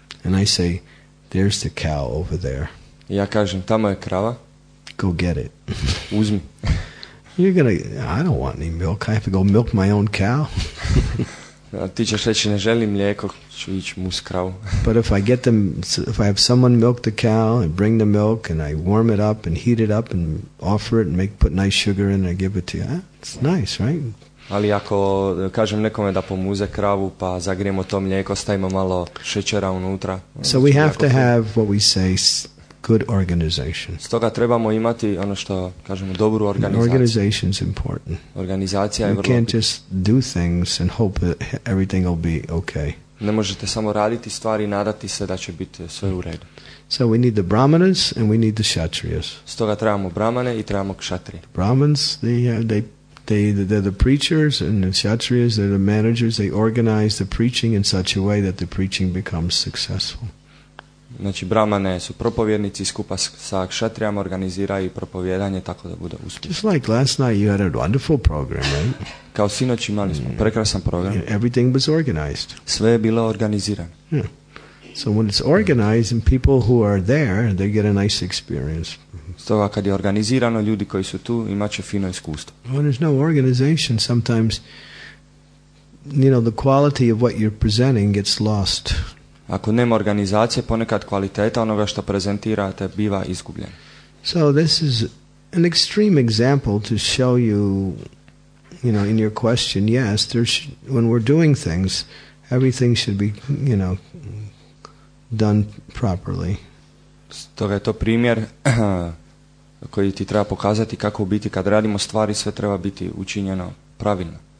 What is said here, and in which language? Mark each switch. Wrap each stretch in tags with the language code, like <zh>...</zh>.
<en>And I say, there's the cow over there.</en> <hr>Ja kažem, tamo je krava.</hr> <en>Go get it.</en> <hr>Uzmi.</hr> <en>You're gonna, I don't want any milk. I have to go milk my own cow.</en> <hr>Ti ćeš reći, ne želim mlijeko, ću ići mus kravu.</hr> <en>But if I get them, if I have someone milk the cow and bring the milk and I warm it up and heat it up and offer it and make, put nice sugar in and I give it to you, it's nice, right?</en> <hr>Ali ako kažem nekome da pomuze kravu, pa zagrijemo to mlijeko, stavimo malo šećera unutra.</hr> <en>So we have to have what we say, good organization.</en> <hr>Stoga trebamo imati ono što kažemo dobru organizaciju.</hr> <en>Organization is important.</en> <hr>Organizacija you je vrlo.</hr> <en>You can't just do things and hope that everything will be okay.</en> <hr>Ne možete samo raditi stvari i nadati se da će biti sve u redu.</hr> <en>So we need the brahmanas and we need the kshatriyas.</en> <hr>Stoga trebamo brahmane i trebamo kshatriye.</hr> <en>Brahmans they're the preachers and the kshatriyas they're the managers. They organize the preaching in such a way that the preaching becomes successful.</en> <hr>Znači, brahmane su propovjednici skupa sa kšatrijama organiziraju propovjedanje tako da bude uspješno.</hr> <en>Just like last night you had a wonderful program, right?</en> <hr>Kao sinoć imali smo prekrasan program.</hr> <en>Everything was organized.</en> <hr>Sve je bilo organizirano.</hr> <en>Yeah. So when it's organized and people who are there, they get a nice experience.</en> <hr>Stoga kad je organizirano, ljudi koji su tu imat će fino iskustvo.</hr> <en>When there's no organization, sometimes you know the quality of what you're presenting gets lost.</en> <hr>Ako nema organizacije, ponekad kvaliteta onoga što prezentirate biva izgubljena.</hr> <en>So this is an extreme example to show you, you know, in your question, yes, there's when we're doing things, everything should be, you know, done properly.</en> <hr>Stoga je to primjer koji ti treba pokazati kako u biti kad radimo stvari sve treba biti učinjeno pravilno.</hr>